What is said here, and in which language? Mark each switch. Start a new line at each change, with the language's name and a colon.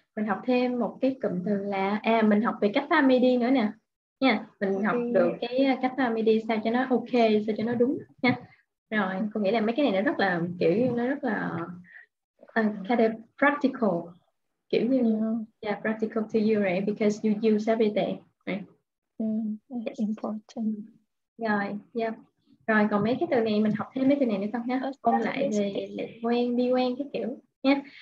Vietnamese: Mình học thêm một cái cụm từ là mình học về cách pha MIDI nữa nè. Nha, mình học được cái cách pha MIDI sao cho nó ok, sao cho nó đúng nha. Rồi, có nghĩa là mấy cái này nó rất là kiểu nó rất là
English: kind of practical.
Vietnamese: Kiểu như
English: yeah, practical to you right because you use every day, right? Important.
Vietnamese: Rồi, yeah. Rồi còn mấy cái từ này mình học thêm mấy từ này nữa không nhé? Ôn lại về lệ quen, bi quen cái kiểu nhé.